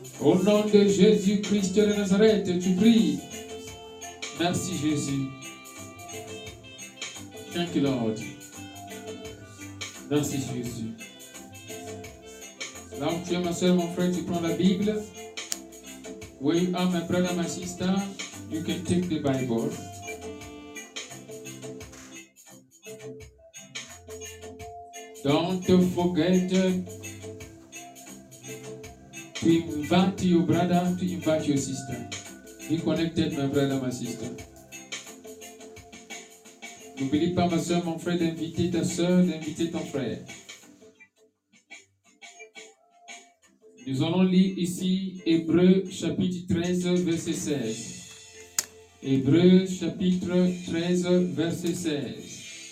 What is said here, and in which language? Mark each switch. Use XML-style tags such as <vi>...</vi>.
<fr>Au nom de Jésus-Christ de Nazareth, tu pries. Merci, Jésus. quelqu'un qui leur dit. Merci Jésus. Là où tu es, ma soeur, mon frère, tu prends la Bible.</fr> <en>Where you are, my brother, my sister, you can take the Bible. Don't forget to invite your brother, to invite your sister. Be connected, my brother, my sister.</en> <fr>N'oublie pas, ma soeur, mon frère, d'inviter ta soeur, d'inviter ton frère. Nous allons lire ici Hébreux chapitre 13, verset 16. Hébreux chapitre 13, verset 16.</fr>